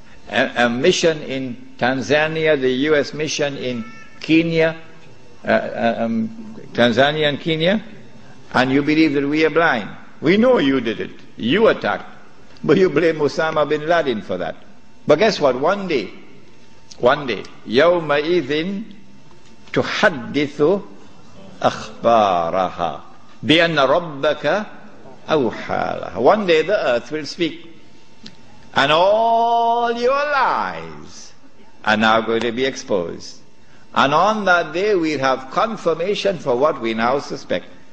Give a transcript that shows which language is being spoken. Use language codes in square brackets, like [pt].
[en] a mission in Tanzania, the U.S. mission in Kenya, Tanzania and Kenya, and you believe that we are blind. We know you did it. You attacked. But you blame Osama bin Laden for that. But guess what? One day, [ar] يَوْمَ إِذٍ تُحَدِّثُ أَخْبَارَهَا بِأَنَّ رَبَّكَ أَوْحَالَهَا. [en] One day the earth will speak. And all your lies are now going to be exposed. And on that day we'll have confirmation for what we now suspect.